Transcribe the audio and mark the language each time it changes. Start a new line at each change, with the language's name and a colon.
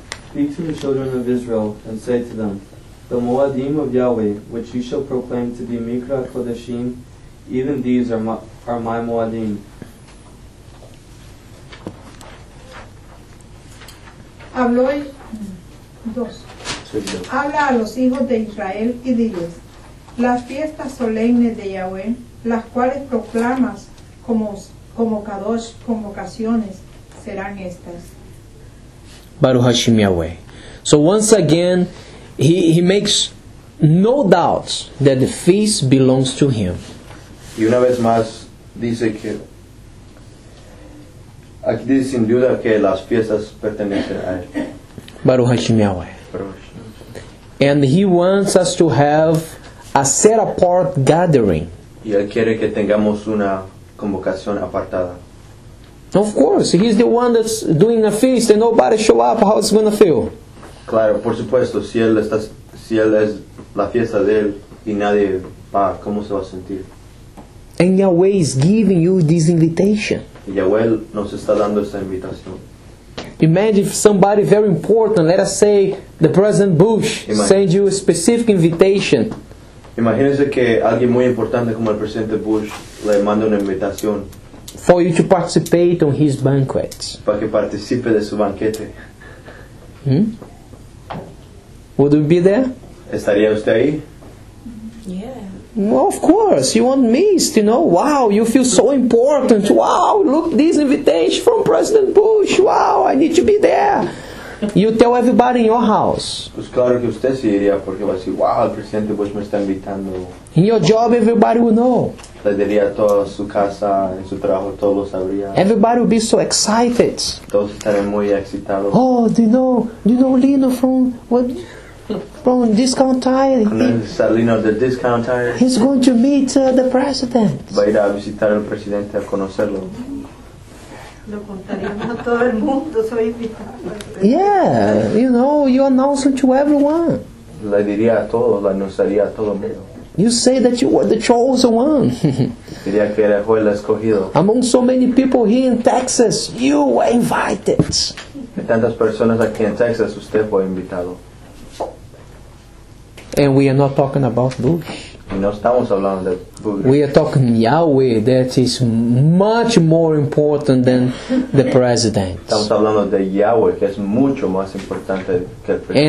English: Speak to the children of Israel and say to them, the Moadim of Yahweh, which you shall proclaim to be Mikra Kodeshim, even these are my Moadim.
Spanish: Habla a los hijos de Israel y diles, las fiestas solemnes de Yahweh, las cuales proclamas como kadosh, convocaciones, serán estas.
Hebrew: Baruch Hashem Yahweh.
English: So once again, he makes no doubts that the feast belongs to him.
Spanish: Y una vez más dice que aquí dice sin duda que las fiestas pertenecen a él.
Hebrew: Baruch Hashem Yahweh.
English: And he wants us to have a set apart gathering.
Spanish: Y él quiere que tengamos una convocación apartada.
English: Of course, he's the one that's doing a feast and nobody show up, how it's going to feel?
Spanish: Claro, por supuesto, si él es la fiesta de él y nadie va, ¿cómo se va a sentir?
English: And Yahweh is giving you this invitation.
Spanish: Y Yahweh nos está dando esta invitación.
English: Imagine if somebody very important, let us say the President Bush, sends you a specific invitation.
Spanish: Imagínese que alguien muy importante como el Presidente Bush le manda una invitación.
English: For you to participate on his banquet.
Spanish: Para que participe de su banquete.
English: Would you be there?
Spanish: ¿Estaría usted ahí?
English: Yeah. Well, of course, you want me, you know, wow, you feel so important, wow, look, this invitation from President Bush, wow, I need to be there. You tell everybody in your house.
Spanish: Pues claro que usted sí iría, porque va a decir, wow, el Presidente Bush me está invitando.
English: In your job, everybody will know.
Spanish: Le diría a toda su casa, en su trabajo, todos lo sabrían.
English: Everybody will be so excited.
Spanish: Todos estarán muy excitados.
English: Oh, do you know Lino from, what? From Discount Tire.
Spanish: Salino de Discount Tire.
English: He's going to meet the president.
Spanish: Va a ir a visitar al presidente a conocerlo. Lo contaríamos a todo el mundo, soy invitado.
English: Yeah, you know, you announce him to everyone.
Spanish: Le diría a todos, le anunciaría a todo el mundo.
English: You say that you were the chosen one.
Spanish: Diría que era el escogido.
English: Among so many people here in Texas, you were invited.
Spanish: De tantas personas aquí en Texas, usted fue invitado.
English: And we are not talking about Bush.
Spanish: No estamos hablando de Bush.
English: We are talking Yahweh, that is much more important than the president.
Spanish: Estamos hablando de Yahweh, que es mucho más importante que el presidente.